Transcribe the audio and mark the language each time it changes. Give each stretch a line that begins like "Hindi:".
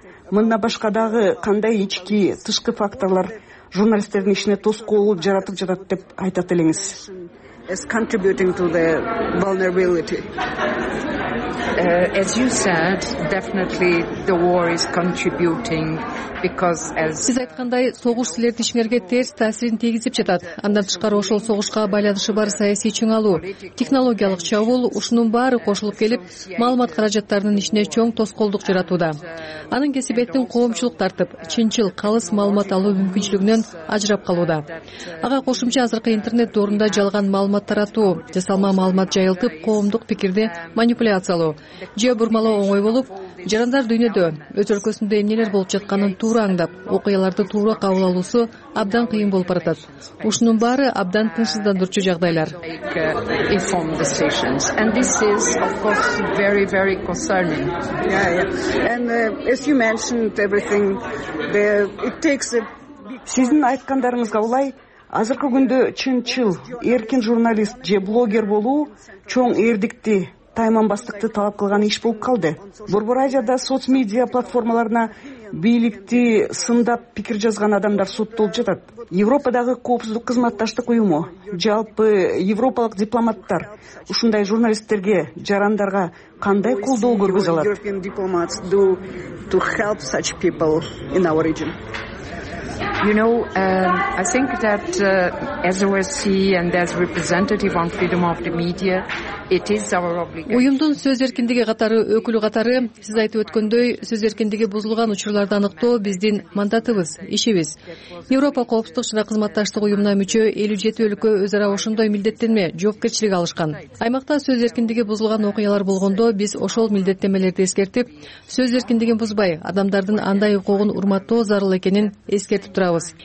Kyrgyz: Мындан башка дагы кандай ички, тышкы факторлор журналисттердин ишине тоскоол жаратып жатат деп айтат элеңиз?
English: Is contributing to the vulnerability. As you said, definitely the war is contributing because as
Kyrgyz: сиз айткандай, согуш силердин ишиңерге терс таасирин тийгизип жатат. Андан тышкары ошол согушка байланышы бар саясий чыңалуу, технологиялык чабуул, ушунун баары кошулуп келип, маалымат каражаттарынын ишине чоң тоскоолдук жаратууда. Анын кесепетин коомчулук тартып, чынчыл, калыс маалымат алуу мүмкүнчүлүгүнөн ажырап калууда. Ага кошумча азыркы интернет доорунда жалган маалымат таратуу, жасалма маалымат жайылтып, коомдук пикирди манипуляциялоо же бурмалоо оңой болуп, жарандар дүйнөдө өз өлкөсүндө эмнелер болуп жатканын туура аңдап, окуяларды туура кабыл алуусу абдан кыйын болуп баратат. Ушунун баары абдан тынчсыздандырчу жагдайлар.
English: And this is of course very very concerning. And as you mentioned everything it takes a
Kyrgyz: сиздин айткандарыңызга улай, азыркы күндө чынчыл, эркин журналист же блогер болуу чоң эрдикти, тайманбастыкты талап кылган иш болуп калды. Борбор Азияда соц медиа платформаларына бийликти сындап пикир жазган адамдар соттолуп жатат. Европадагы коопсуздук кызматташтык уюму, жалпы европалык дипломаттар ушундай журналисттерге, жарандарга кандай колдоо көргөзө алат?
English: To help such people in our region. You know, I think that as OSC and as representative on freedom of the media, it is our obligation.
Kyrgyz: Уюмдун сөз эркиндиги катары, өкүлү катары, сиз айтып өткөндөй, сөз эркиндиги бузулган учурларды аныктоо биздин мандатыбыз, ишибиз. Европа коопсуздук жана кызматташтык уюмуна мүчө 57 өлкө өз ара ошондой милдеттенме, жоопкерчилик алышкан. Аймакта сөз эркиндиги бузулган окуялар болгондо, биз ошол милдеттенмелерди эскертип, сөз эркиндигин бузбай, адамдардын андай укугун урматтоо зарыл экенин эскертип турабыз.